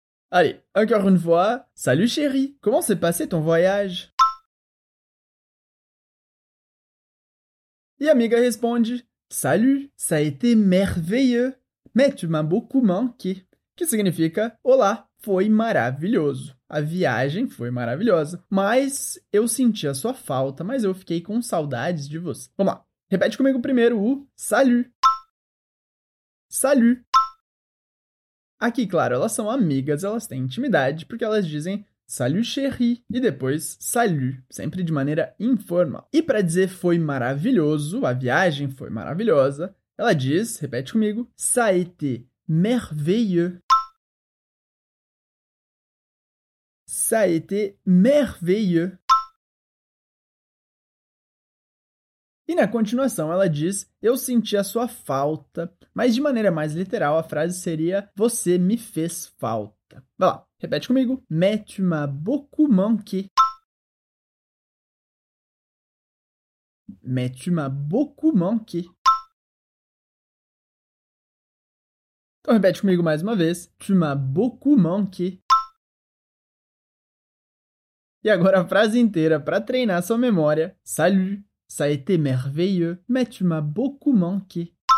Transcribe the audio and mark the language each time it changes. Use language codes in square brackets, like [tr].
[fr] Allez, encore une fois, Salut chérie, comment s'est passé ton voyage? [pt] E a amiga responde [fr] Salut, ça a été merveilleux, mais tu m'as beaucoup manqué. [pt] Que significa, olá, foi maravilhoso. A viagem foi maravilhosa, mas eu senti a sua falta, mas eu fiquei com saudades de você. Vamos lá, Repete comigo primeiro o salut. Salut. Aqui, claro, elas são amigas, elas têm intimidade, porque elas dizem [fr] salut, chérie, [pt] e depois salut, sempre de maneira informal. E para dizer foi maravilhoso, a viagem foi maravilhosa, ela diz, repete comigo, [fr] ça a été merveilleux. Ça a été merveilleux. [pt] E na continuação, ela diz, eu senti a sua falta. Mas de maneira mais literal, a frase seria, você me fez falta. Vai lá, repete comigo. [fr] Mais tu m'as beaucoup manqué. Mais tu m'as beaucoup manqué. [pt] Então repete comigo mais uma vez. [fr] Tu m'as beaucoup manqué. [pt] E agora a frase inteira para treinar sua memória. [fr] Salut. Ça a été merveilleux, mais tu m'as beaucoup manqué.